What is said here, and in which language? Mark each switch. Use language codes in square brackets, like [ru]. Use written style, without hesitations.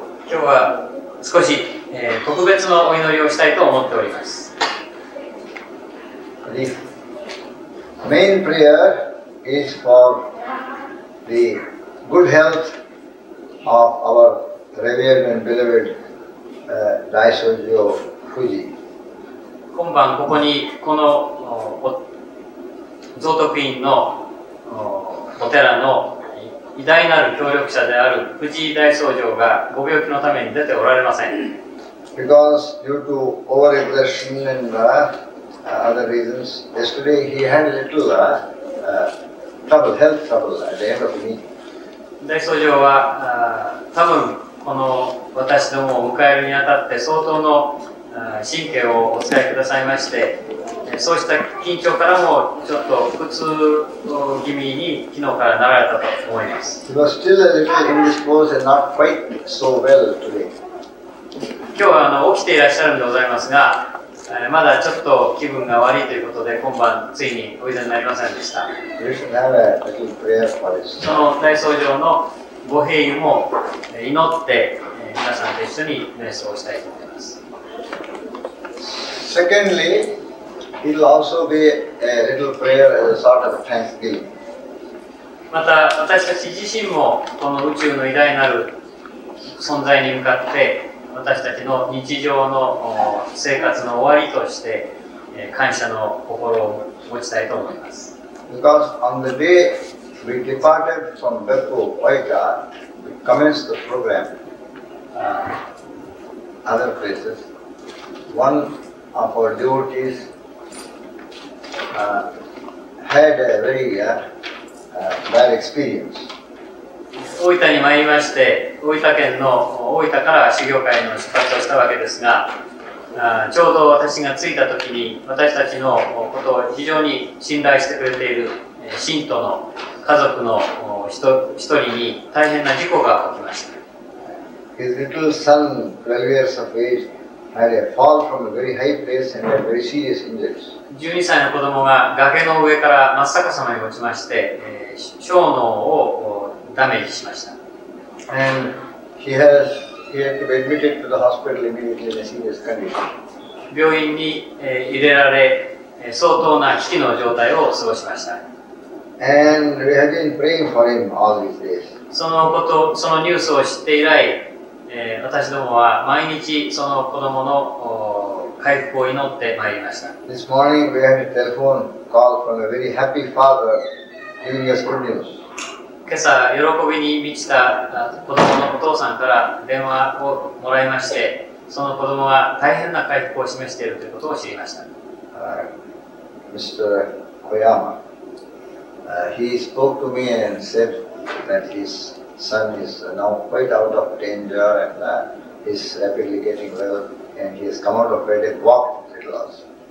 [ja] 今日は少し、特別なお祈りをしたいと思っております。 [en] The main prayer is for the good health of ourRevered and beloved Daisojo Fuji. [ja] 今晩ここにこの蔵徳院のお寺の偉大なる協力者である藤井大僧正がご病気のために出ておられません。 [en] Because due to overexertion and other reasons, yesterday he had a little health trouble at the end of the meeting. [ja] 大僧正は多分この私どもを迎えるにあたって相当の神経をお使いくださいまして、そうした緊張からもちょっと苦痛気味に昨日からなられたと思います。 [en] He was still a little indisposed and not quite so well today. [ja] 今日は起きていらっしゃるんでございますが、まだちょっと気分が悪いということで今晩ついにおいでになりませんでした。 [en] You should have a little prayer for this. [ja] その大僧正のご平穏も祈って皆さんと一緒に瞑想をしたいと思います。 [en] Secondly, it will also be a little prayer as a sort of thanksgiving. [ja] また私たち自身もこの宇宙の偉大なる存在に向かって私たちの日常の生活の終わりとして感謝の心を持ちたいと思います。 [en] Because on the dayWe departed from Beppu Waika, we commenced the program other places. One of our devotees had a very bad experience. [ja] 大分に参りまして、大分県の大分から修行会の出発をしたわけですが、ちょうど私が着いたときに、私たちのことを非常に信頼してくれている信徒の家族の一人に大変な事故が起きました。 [en] His little son, 12 years of age, had a fall from a very high place and a very serious injuries. [ja] 12歳の子供が崖の上から真っ逆さまに落ちまして、小脳をダメージしました。 [en] And he had to be admitted to the hospital immediately in a serious condition. [ja] 病院に入れられ、相当な危機の状態を過ごしました。 [en] And we have been praying for him all these days. [ja] そのこと、そのニュースを知って以来、私どもは毎日その子供の回復を祈ってまいりました。 [en] This morning we had a telephone call from a very happy father giving us good news. [ja] 今朝喜びに満ちた子供のお父さんから電話をもらいまして、その子供は大変な回復を示しているということを知りました。 [en] Mr. Koyama. He spoke to me and said that his son is now quite out of danger and he's rapidly getting well and he has come out of bed and walked a little also.